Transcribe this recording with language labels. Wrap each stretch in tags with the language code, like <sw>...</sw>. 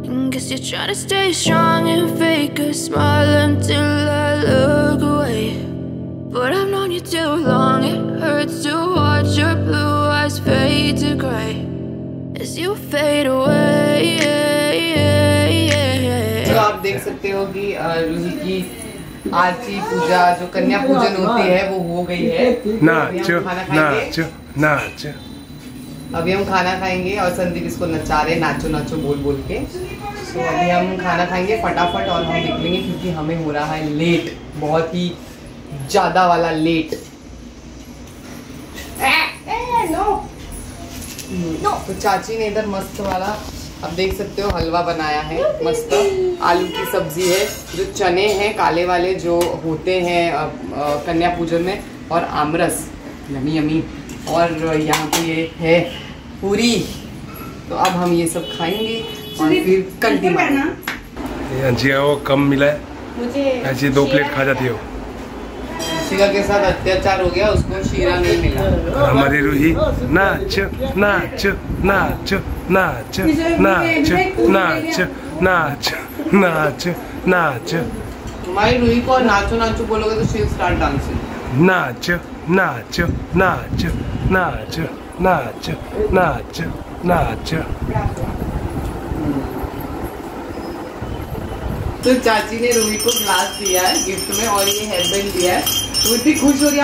<en>Guess you're trying to stay strong and fake a smile until I look away. But I've known you too long, it hurts to watch your blue eyes fade to gray as you fade away.</en> <hi>आरती पूजा जो कन्या पूजन होती है वो हो गई है। नाचो अभी हम खाना खाएंगे और संदीप इसको नचा रहे नाचो नाचो बोल बोल के। सो अभी हम खाना खाएंगे फटाफट और हम निकलेंगे क्योंकि हमें हो रहा है लेट, बहुत ही ज्यादा वाला लेट। तो चाची ने इधर मस्त वाला अब देख सकते हो हलवा बनाया है, मस्त आलू की सब्जी है, जो चने हैं काले वाले जो होते हैं कन्या पूजन में, और आमरस यमी यमी, और यहाँ पे ये है पूरी। तो अब हम ये सब खाएंगे और फिर जी वो कम मिला है मुझे, 2 प्लेट खा जाती हो। शीरा के साथ अत्याचार हो गया, उसको शीरा नहीं मिला। हमारी रूही नाच नाच नाच नाच नाच नाच नाच नाच नाच माई रूही को नाचो नाचो बोलोगे तो</hi> <en>She will start dancing.</en> <hi>नाच नाच नाच नाच नाच नाच नाच। तो चाची ने रूही को ग्लास दिया है गिफ्ट में और ये हेयरबैंड दिया है, तो इतनी खुश हो रही है।</hi>